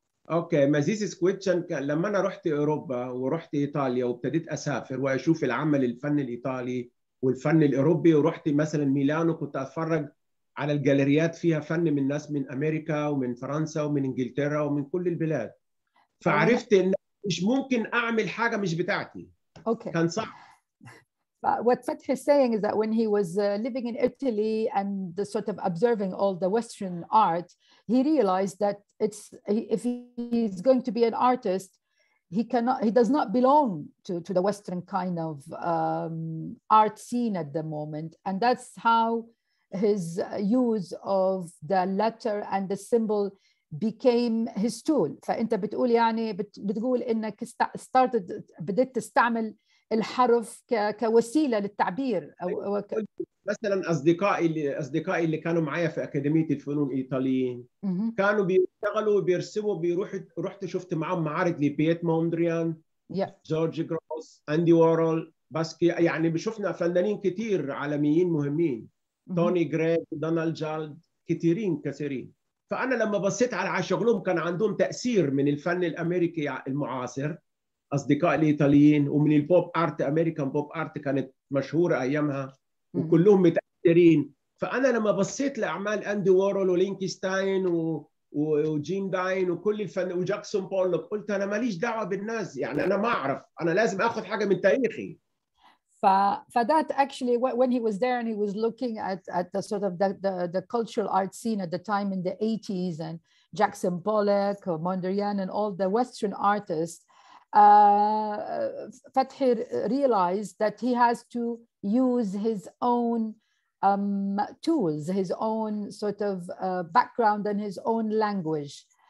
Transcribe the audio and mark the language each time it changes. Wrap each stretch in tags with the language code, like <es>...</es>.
<ar>أوكي،</ar> <en>ما زيز سكويتشن</en> <ar>لما أنا رحت أوروبا ورحت إيطاليا وابتديت أسافر وأشوف العمل الفن الإيطالي والفن الأوروبي، ورحت مثلا ميلانو كنت أتفرج على الجاليريات فيها فن من ناس من أمريكا ومن فرنسا ومن إنجلترا ومن كل البلاد، فعرفت إن مش ممكن أعمل حاجة مش بتاعتي. أوكي. كان صعب.</ar> <en>What Fathi is saying is that when he was living in Italy and the sort of observing all the Western art, he realized that if he's going to be an artist, he does not belong to the Western kind of art scene at the moment. And that's how his use of the letter and the symbol became his tool.</en> <ar>فأنت بتقول يعني بتقول إنك بديت تستعمل الحرف كوسيلة للتعبير. مثلا أصدقائي اللي كانوا معايا في أكاديمية الفنون الإيطاليين كانوا بيشتغلوا وبيرسموا، رحت شفت معهم معارض لبيت موندريان، جورج جروس، أندي وارول، باسكي، يعني بشوفنا فنانين كتير عالميين مهمين، توني غريغ، دونالد جالد، كثيرين. فأنا لما بصيت على شغلهم كان عندهم تأثير من الفن الأمريكي المعاصر، أصدقاء الإيطاليين، ومن البوب آرت، أمريكان بوب آرت كانت مشهورة أيامها وكلهم متأثرين. فأنا لما بصيت لأعمال أندي وارول ولينكستاين وجيم داين وكل الفن وجاكسون بولوك، قلت أنا ماليش دعوة بالناس، يعني أنا ما أعرف، أنا لازم أخذ حاجة من تاريخي.</ar> <en>That actually, when he was there and he was looking at the sort of the cultural art scene at the time in the 80s and Jackson Pollock or Mondrian and all the Western artists, Fathi realized that he has to use his own tools, his own sort of background and his own language.</en>